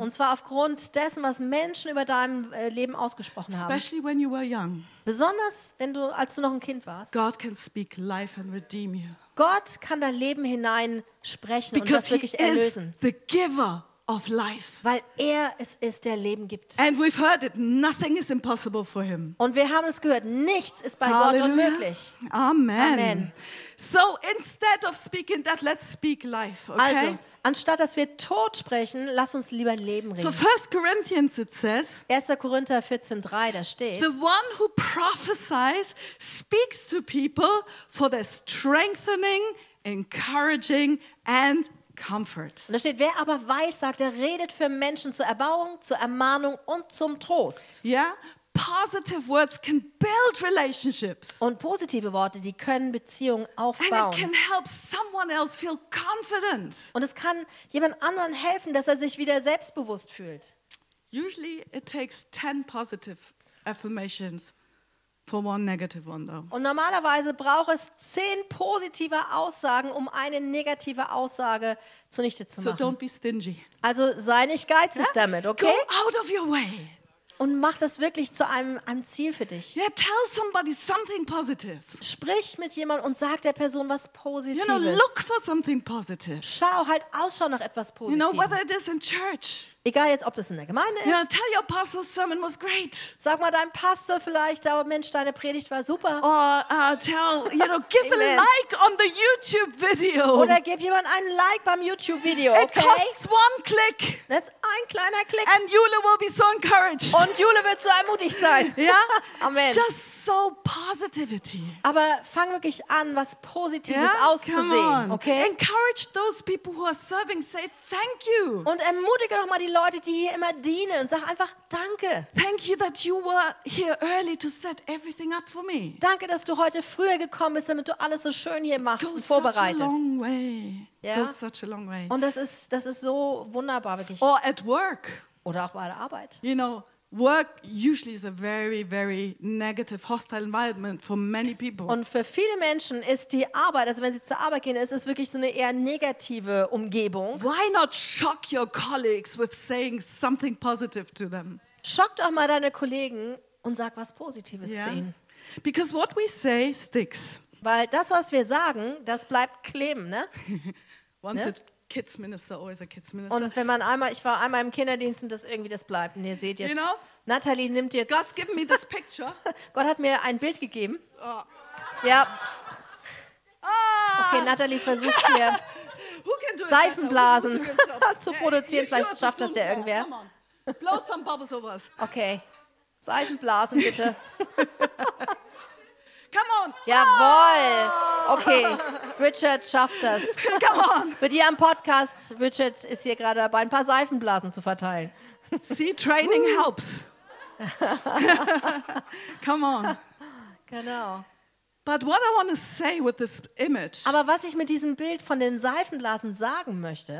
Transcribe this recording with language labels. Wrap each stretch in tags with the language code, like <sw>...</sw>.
<de>Und zwar aufgrund dessen, was Menschen über deinem Leben ausgesprochen haben.</de> <en>Especially when you were young.</en> <de>Besonders wenn du als du noch ein Kind warst.</de> <en>God can speak life and redeem you.</en> <de>Gott kann dein Leben hineinsprechen und das wirklich erlösen.</de> <en>Because he is the giver. Of life.</en> <de>Weil er es ist, der Leben gibt.</de> <en>And we've heard it. Nothing is impossible for him.</en> <de>Und wir haben es gehört. Nichts ist bei Gott unmöglich. Amen.</de> <en>So instead of speaking death, let's speak life. Okay?</en> <de>Also anstatt dass wir Tod sprechen, lass uns lieber Leben reden.</de> <en>So 1 Corinthians it says.</en> <de>1. Korinther 14:3, da steht.</de> <en>The one who prophesies speaks to people for their strengthening, encouraging and comfort.</en> <de>Und da steht, wer aber weiß, sagt, er redet für Menschen zur Erbauung, zur Ermahnung und zum Trost.</de> <en>Yeah, positive words can build relationships.</en> <de>Und positive Worte, die können Beziehungen aufbauen.</de> <en>And it can help someone else feel confident.</en> <de>Und es kann jemand anderen helfen, dass er sich wieder selbstbewusst fühlt.</de> <en>Usually it takes 10 positive affirmations for one negative one though.</en> <de>Und normalerweise braucht es 10 positive Aussagen, um eine negative Aussage zunichte zu machen.</de> <en>So don't be stingy.</en> <de>Also sei nicht geizig damit, okay?</de> <en>Go out of your way.</en> <de>Und mach das wirklich zu einem Ziel für dich.</de> <en>Yeah, tell somebody something positive.</en> <de>Sprich mit jemandem und sag der Person was Positives.</de> <en>You know, look for something positive.</en> <de>Schau halt Ausschau nach etwas Positives.</de> <en>You know, whether it is in church.</en> <de>Egal jetzt, ob das in der Gemeinde ist.</de> <en>You know, tell your pastor, sermon was great.</en> <de>Sag mal deinem Pastor vielleicht, oh Mensch, deine Predigt war super.</de> <en>Or tell, you know, give a like on the YouTube video.</en> <de>Oder gib jemand ein Like beim YouTube Video.</de> <en>Okay? It costs one click.</en> <de>Das ist ein kleiner Klick.</de> <en>And Jule will be so encouraged.</en> <de>Und Jule wird so ermutigt sein.</de> <en>Yeah? Amen. Just so positivity.</en> <de>Aber fang wirklich an, was Positives auszusehen.</de> <en>Okay? Encourage those people who are serving. Say thank you.</en> <de>Und ermutige doch mal die Leute, die hier immer dienen und sag einfach danke.</de> <en>Thank you that you were here early to set everything up for me.</en> <de>Danke, dass du heute früher gekommen bist, damit du alles so schön hier machst und vorbereitest.</de> <en>Such a long way. Yeah? Goes such a long way.</en> <de>Und das ist so wunderbar wirklich.</de> <en>Or at work.</en> <de>Oder auch bei der Arbeit.</de> <en>You know, work usually is a very, very negative, hostile environment for many people.</en> <de>Und für viele Menschen ist die Arbeit, also wenn sie zur Arbeit gehen, ist es wirklich so eine eher negative Umgebung.</de> <en>Why not shock your colleagues with saying something positive to them?</en> <de>Schock doch mal deine Kollegen und sag was Positives zu ihnen.</de> <en>Because what we say sticks.</en> <de>Weil das, was wir sagen, das bleibt kleben, ne?</de> <en>Kids Minister, always a Kids Minister.</en> <de>Und wenn man einmal, ich war einmal im Kinderdienst und das irgendwie das bleibt. Und ihr seht jetzt,</de> <en>you know,</en> <de>Natalie nimmt jetzt.</de> <en>God's given me this picture.</en> <de>Gott hat mir ein Bild gegeben. Oh. Ja. Oh. Okay, Natalie versucht hier</de> <en>who can do</en> <de>Seifenblasen zu produzieren. Vielleicht schafft das ja irgendwer.</de> <en>Come on. Blow some bubbles over us.</en> <de>Okay. Seifenblasen bitte.</de> <en>Come on.</en> <de>Jawohl. Okay, Richard schafft das.</de> <en>Come on.</en> <de>Für die am Podcast, Richard ist hier gerade dabei, ein paar Seifenblasen zu verteilen.</de> <en>See, training helps. Come on.</en> <de>Genau.</de> <en>But what I want to say with this image,</en> <de>aber was ich mit diesem Bild von den Seifenblasen sagen möchte,</de>